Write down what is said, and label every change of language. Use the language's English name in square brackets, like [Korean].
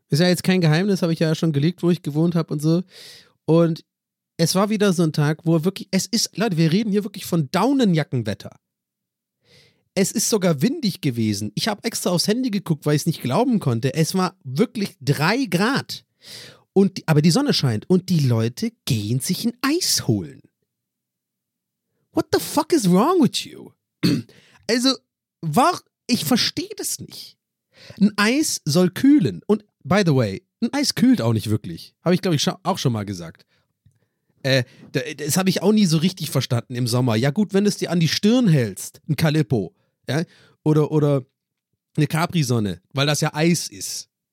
[German] Ist ja jetzt kein Geheimnis, habe ich ja schon gelegt, wo ich gewohnt habe und so. Und es war wieder so ein Tag, wo wirklich, es ist, Leute, wir reden hier wirklich von Daunenjackenwetter. Es ist sogar windig gewesen. Ich habe extra aufs Handy geguckt, weil ich es nicht glauben konnte. Es war wirklich 3 Grad. Aber die Sonne scheint und die Leute gehen sich ein Eis holen. [English] What the fuck is wrong with you? [German] Also, ich verstehe das nicht. Ein Eis soll kühlen. Und [English] by the way, [German] ein Eis kühlt auch nicht wirklich. Habe ich, glaube ich, auch schon mal gesagt. Das habe ich auch nie so richtig verstanden im Sommer. Ja gut, wenn du es dir an die Stirn hältst, ein Calippo, ja, oder eine Capri-Sonne, weil das ja Eis ist.